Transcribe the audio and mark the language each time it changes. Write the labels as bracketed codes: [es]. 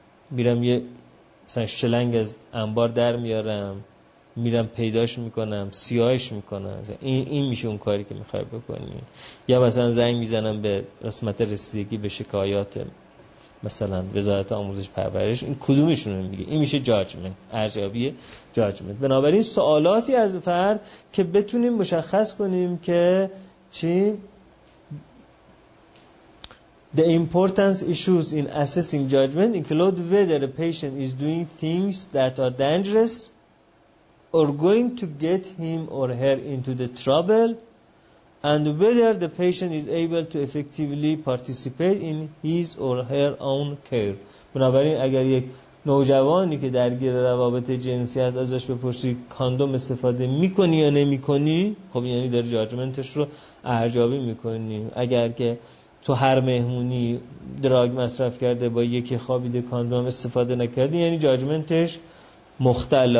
[fa] میرم یه مثلا شلنگ از انبار در میارم، میرم پیداش میکنم، سیاهش میکنم، این میشه اون کاری که میخوای بکنی، یا مثلا زنگ میزنم به قسمت رسیدگی به شکایات مثلا وزارت آموزش پرورش، این کدومشون میگه، این میشه جاجمنت، ارجیابی جاجمنت. بنابراین سوالاتی از فرد که بتونیم مشخص کنیم که چی؟ [en] The important issues in assessing judgment include whether a patient is doing things that are dangerous or going to get him or her into the trouble and whether the patient is able to effectively participate in his or her own care. [fa] بنابراین اگر یک نوجوانی که درگیر روابط جنسی هست ازش بپرسی کاندوم استفاده میکنی یا نمیکنی، خب یعنی در جاجمنتش رو ارجابی میکنی. اگر که تو هر مهمونی دراگ مصرف کرده با یکی خوابیده کاندوم استفاده نکردی، یعنی جاجمنتش مختله.